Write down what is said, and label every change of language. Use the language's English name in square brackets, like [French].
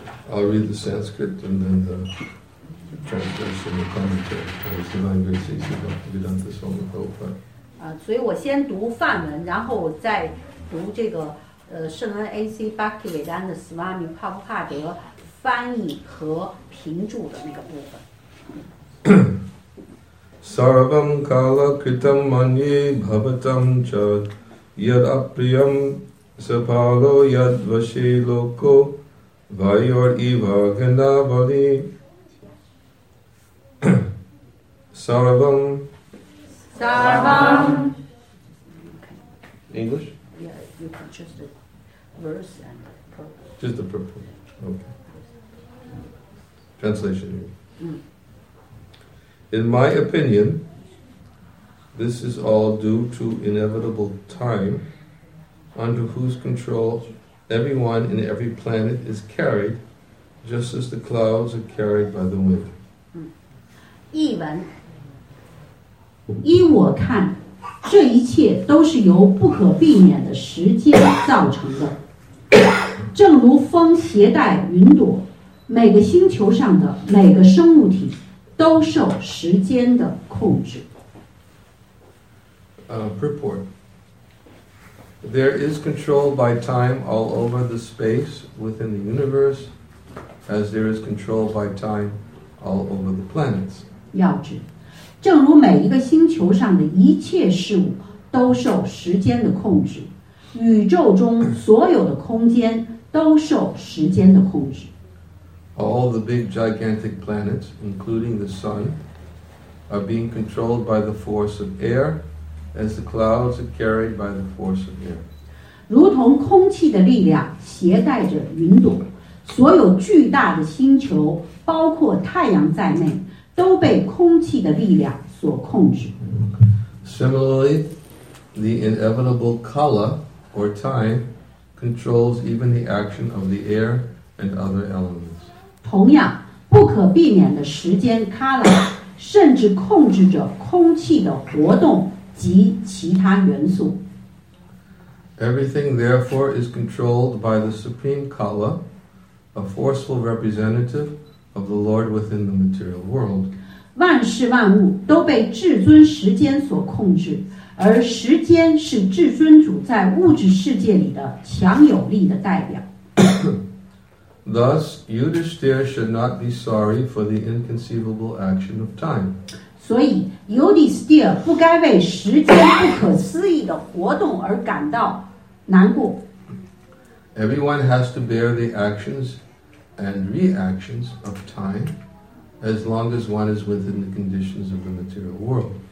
[English] I'll read the Sanskrit and then the translation and commentary. The language is Bhaktivedanta Swami Prabhupada. [Chinese] 所以我先读梵文，然后我再读这个圣恩 A.C. Bhaktivedanta Swami Prabhupada 翻译和评注的那个部分。 [Sanskrit] Sarvam kala kritam mani bhavatam cha yad apriyam. Sapalo yad vashe loko vayor eva ganavali sarvam sarvam [English] English? Yeah, just the verse and the purpose. Just the purpose, okay. Translation here. In my opinion, this is all due to inevitable time. Under whose control everyone in every planet is carried, just as the clouds are carried by the wind. [Chinese] 译文，依我看，这一切都是由不可避免的时间造成的。正如风携带云朵，每个星球上的每个生物体都受时间的控制。 [English] Purport. There is control by time all over the space within the universe, as there is control by time all over the planets. [Chinese] 要知，正如每一个星球上的一切事物都受时间的控制，宇宙中所有的空间都受时间的控制。 [English] All the big gigantic planets, including the sun, are being controlled by the force of air. As the clouds are carried by the force of air. [Chinese] 如同空气的力量携带着云朵，所有巨大的星球，包括太阳在内，都被空气的力量所控制。 [English] Similarly, the inevitable kala, or time, controls even the action of the air and other elements. [Chinese] 同样，不可避免的时间kala, 甚至控制着空气的活动。及其他元素。 [English] Everything, therefore, is controlled by the supreme kala, a forceful representative of the Lord within the material world. [Chinese] 万事万物都被至尊时间所控制，而时间是至尊主在物质世界里的强有力的代表。 [English] Thus, Yudhishthira should not be sorry for the inconceivable action of time. [Chinese] 所以尤迪斯蒂尔不该为时间不可思议的活动而感到难过。 [English] Everyone has to bear the actions and reactions of time as long as one is within the conditions of the material world.